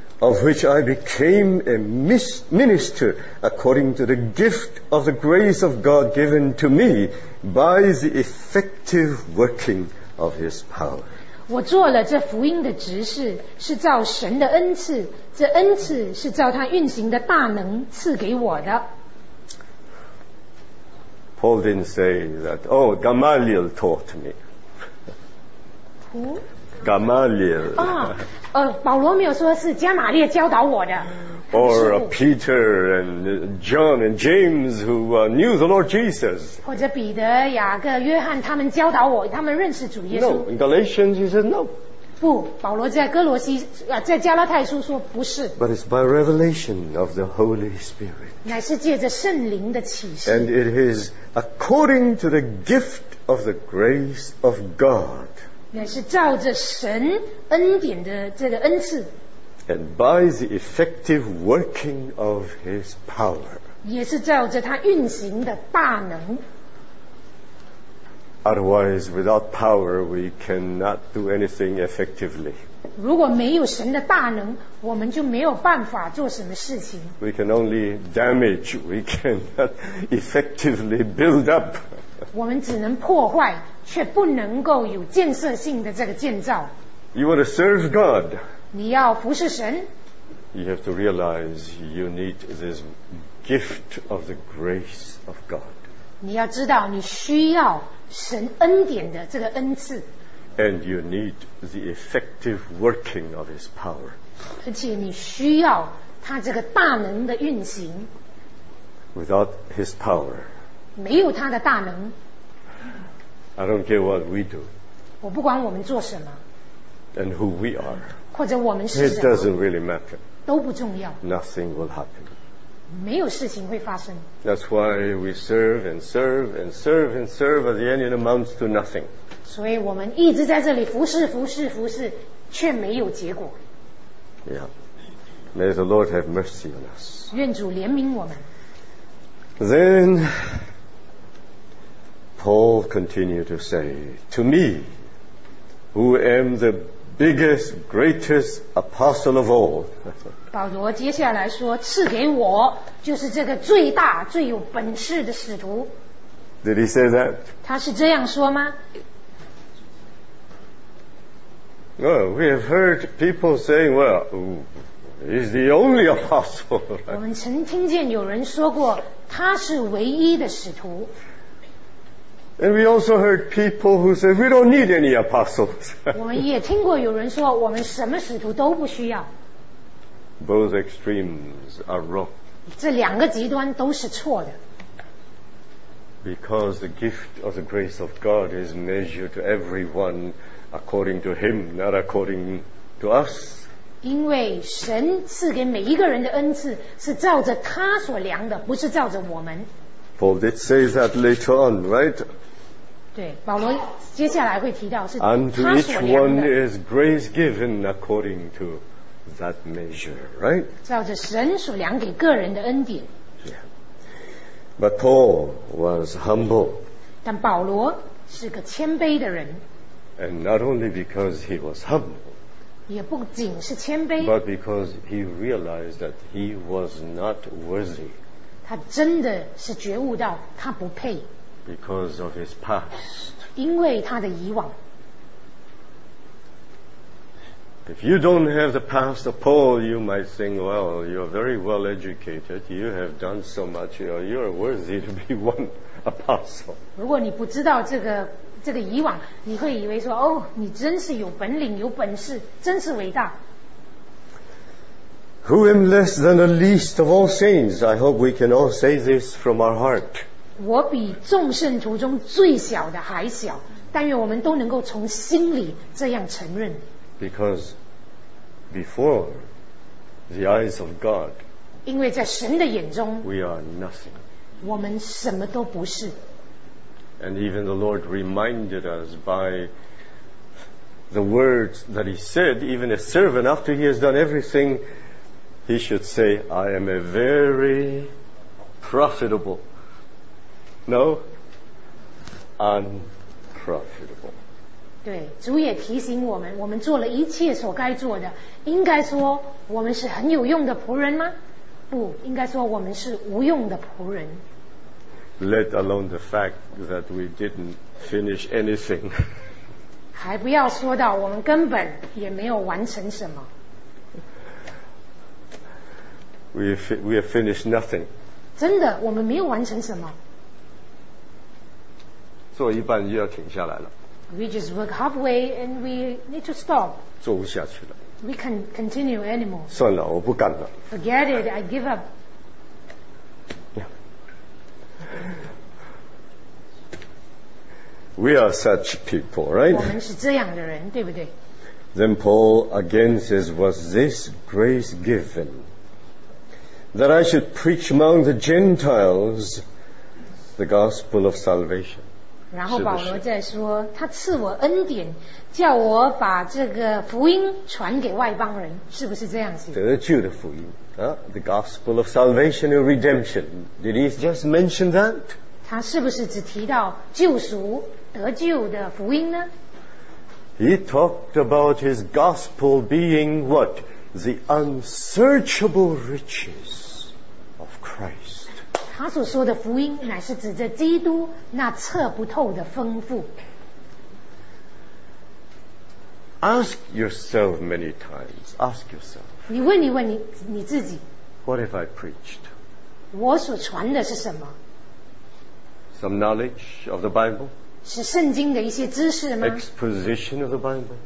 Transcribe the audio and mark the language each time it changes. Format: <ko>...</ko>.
<en>Of which I became a minister according to the gift of the grace of God given to me by the effective working of His power</en> <zh>我做了这福音的执事是照神的恩赐这恩赐是照他运行的大能赐给我的</zh> <en>Paul didn't say that Oh, Gamaliel taught meGamaliel.</en> <zh>Ah, 保罗没有说是加马列教导我的。</zh> <en>Or Peter and John and James who knew the Lord Jesus.</en> <zh>或者彼得、雅各、约翰他们教导我，他们认识主耶稣。</zh> <en>No, in Galatians he says no.</en> <zh>不，保罗在哥罗西啊，在加拉太书说不是。</zh> <en>But it's by revelation of the Holy Spirit.</en> <zh>乃是借着圣灵的启示。</zh> <en>And it is according to the gift of the grace of God.</en> <zh>乃是照着神恩典的这个恩赐</zh> <en>and by the effective working of his power</en> <zh>也是照着他运行的大能</zh> <en>otherwise without power we cannot do anything effectively</en> <zh>如果没有神的大能我们就没有办法做什么事情</zh> <en>we can only damage we cannot effectively build up</en> <zh>我们只能破坏却不能够有建设性的这个建造。</zh> <en>You want to serve God.</en> <zh>你要服侍神。</zh> <en>You have to realize you need this gift of the grace of God.</en> <zh>你要知道你需要神恩典的这个恩赐。</zh> <en>And you need the effective working of His power.</en> <zh>而且你需要他这个大能的运行。</zh> <en>Without His power.</en> <zh>没有他的大能。</zh> <en>I don't care what we do.</en> <zh>我不管我们做什么。</zh> <en>And who we are.</en> <zh>或者我们是什么。</zh> <en>It doesn't really matter.</en> <zh>都不重要。</zh> <en>Nothing will happen.</en> <zh>没有事情会发生。</zh> <en>That's why we serve and serve and serve and serve. At the end it amounts to nothing.</en> <zh>所以我们一直在这里服侍服侍服侍却没有结果。</zh> <en>Yeah. May the Lord have mercy on us.</en> <zh>愿主怜悯我们。</zh> <en>Then... Paul continued to say, To me, who am the biggest, greatest apostle of all.</en> <zh>保罗接下来说，赐给我就是这个最大最有本事的使徒。</zh> <en>Did he say that?</en> <zh>他是这样说吗？</zh> <en>Well, we have heard people saying, well, he's the only apostle.</en> <zh>我们曾听见有人说过，他是唯一的使徒。</zh> <en>And we also heard people who say we don't need any apostles.</en> <zh>我们也听过有人说我们什么使徒都不需要。</zh> <en>Both extremes are wrong.</en> <zh>这两个极端都是错的。</zh> <en>Because the gift of the grace of God is measured to everyone according to Him, not according to us.</en> <zh>因为神赐给每一个人的恩赐是照着他所量的，不是照着我们。</zh> <en>Paul did say that later on, right?</en> <zh>对，保罗接下来会提到是他所量的。</zh> <en>And to each one is grace given according to that measure, right?</en> <zh>照着神所量给个人的恩典。</zh> <en>Yeah. But Paul was humble.</en> <zh>但保罗是个谦卑的人。</zh> <en>And not only because he was humble,</en> <zh>也不仅是谦卑，</zh> <en>but because he realized that he was not worthy.</en> <zh>他真的是觉悟到他不配。</zh> <en>Because of his past.</en> <zh>因为他的以往。</zh> <en>If you don't have the past of Paul, you might think, well, you're very well educated, you have done so much, you're worthy to be one apostle.</en> <zh>如果你不知道这个以往，你会以为说，哦，你真是有本领，有本事，真是伟大。</zh> <en>Who am less than the least of all saints? I hope we can all say this from our heart.</en> <zh>我比众圣徒中最小的还小，但愿我们都能够从心里这样承认。</zh> <en>Because before the eyes of God,</en> <zh>因为在神的眼中，</zh> <en>we are nothing.</en> <zh>我们什么都不是。</zh> <en>And even the Lord reminded us by the words that He said, even a servant, after he has done everything, he should say, I am a very profitable. No? Unprofitable.</en> <zh>对，主也提醒我们，我们做了一切所该做的，应该说我们是很有用的仆人吗？不，应该说我们是无用的仆人。</zh> <en>Let alone the fact that we didn't finish anything.</en> <zh>还不要说到我们根本也没有完成什么。</zh> <en>We have finished nothing.</en> <zh>真的，我们没有完成什么。做一半就要停下来了。</zh> <en>We just work halfway and we need to stop.</en> <zh>做不下去了。</zh> <en>We can't continue anymore.</en> <zh>算了，我不干了。</zh> <en>Forget it, I give up. We are such people, right?</en> <zh>我们是这样的人，对不对？</zh> <en>Then Paul again says, was this grace given? That I should preach among the Gentiles the gospel of salvation.</en> <zh>然后保罗再说，他赐我恩典，叫我把这个福音传给外邦人，是不是这样子？得救的福音啊</zh> <en>，the gospel of salvation and redemption. Did he just mention that?</en> <zh>他是不是只提到救赎、得救的福音呢</zh> <en>？He talked about his gospel being what the unsearchable riches of Christ.</en> <zh>他所说的福音乃是指着基督那测不透的丰富。</zh> <en>Ask yourself many times, ask yourself,</en> <zh>你问一问 你自己，</zh> <en>What have I preached?</en> <zh>我所传的是什么？</zh> <en>Some knowledge of the Bible?</en> <zh>是圣经的一些知识吗？</zh> <en>Exposition of the Bible?</en>